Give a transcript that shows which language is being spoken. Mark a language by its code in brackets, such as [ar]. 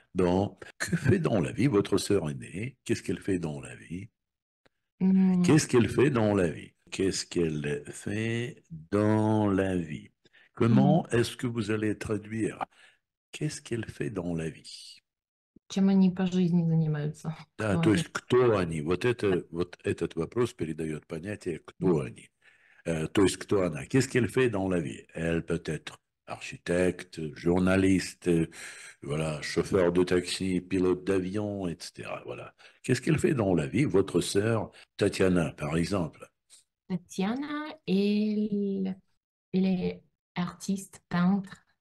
[fr] Bon, que fait dans la vie votre sœur aînée? Qu'est-ce qu'elle fait dans la vie? Qu'est-ce qu'elle fait dans la vie? Qu'est-ce qu'elle fait dans la vie? Comment est-ce que vous allez traduire? Qu'est-ce qu'elle fait dans la vie? [ru] Чем они по жизни занимаются? Да, Кто то они? есть кто они? Вот этот вопрос передает понятие кто они. То есть кто она? [fr] Qu'est-ce qu'elle fait dans la vie? Elle peut être architecte, journaliste, voilà, chauffeur de taxi, pilote d'avion, etc. Voilà. Qu'est-ce qu'elle fait dans la vie, votre sœur Tatiana, par exemple? Tatiana, elle est artiste, peintre.